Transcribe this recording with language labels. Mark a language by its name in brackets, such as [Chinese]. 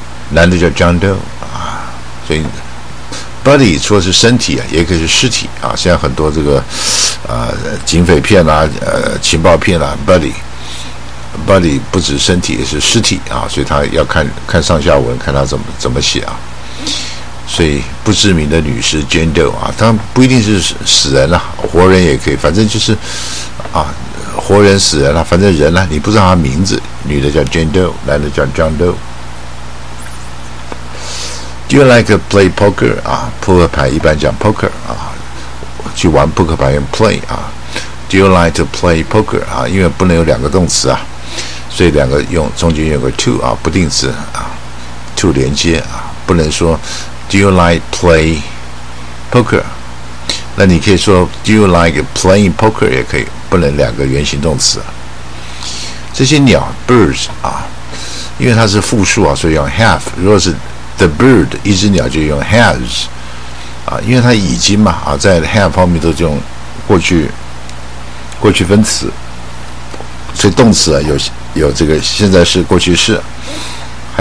[Chinese] 男的叫 John Doe所以 body 除了是身体也可以是尸体现在很多这个警匪片情报片body 不止身体也是尸体所以他要看上下文看他怎么写所以不知名的女尸 Jane Doe 他不一定是死人活人也可以反正就是活人死人反正人你不知道他名字女的叫 Jane Doe 男的叫 John Doe [English] Do you like to play poker? [Chinese] 扑克牌一般讲 poker 去玩扑克牌用 play [English] Do you like to play poker? [Chinese] 因为不能有两个动词所以两个用中间有个 to 不定词 to 连接不能说 [English] Do you like play poker? [Chinese] 那你可以说 [English] Do you like playing poker? [Chinese] 也可以不能两个原形动词这些鸟 birds 因为它是复数所以用 have 如果是The bird 一只鸟就用 has 因为它已经嘛在 have 方面都用过去分词所以动词有这个现在是过去式还